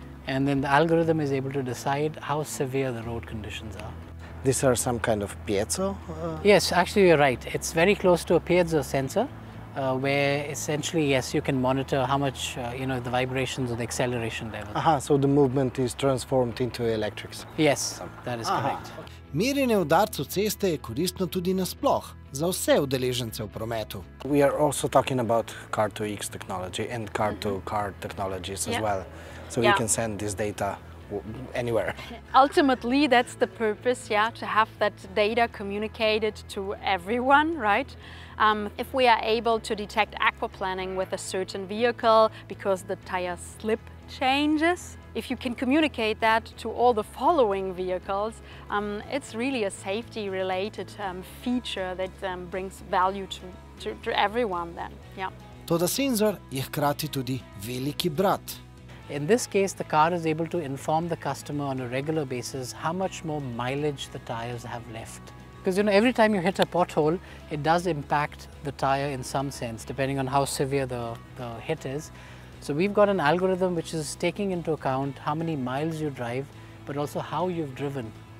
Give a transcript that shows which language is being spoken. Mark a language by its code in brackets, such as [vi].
[en] And then the algorithm is able to decide how severe the road conditions are. These are some kind of piezo? Yes, actually, you're right. It's very close to a piezo sensor. where essentially, yes, you can monitor how much, you know, the vibrations or the acceleration level. Aha, so the movement is transformed into electrics. Yes, that is correct. [sl] Merjenje udarcev ceste je koristno tudi nasploh za vse udeležence v prometu. [en] We are also talking about car to X technology and car to car technologies as well. So we can send this data anywhere. Ultimately, that's the purpose, yeah, to have that data communicated to everyone, right? If we are able to detect aquaplaning with a certain vehicle because the tire slip changes, if you can communicate that to all the following vehicles, it's really a safety related feature that brings value to everyone then. Yeah. [sl] Toda senzor je hkrati tudi veliki brat. [en] In this case, the car is able to inform the customer on a regular basis how much more mileage the tires have left. Because, you know, every time you hit a pothole, it does impact the tire in some sense, depending on how severe the hit is. So we've got an algorithm which is taking into account how many miles you drive, but also how you've driven.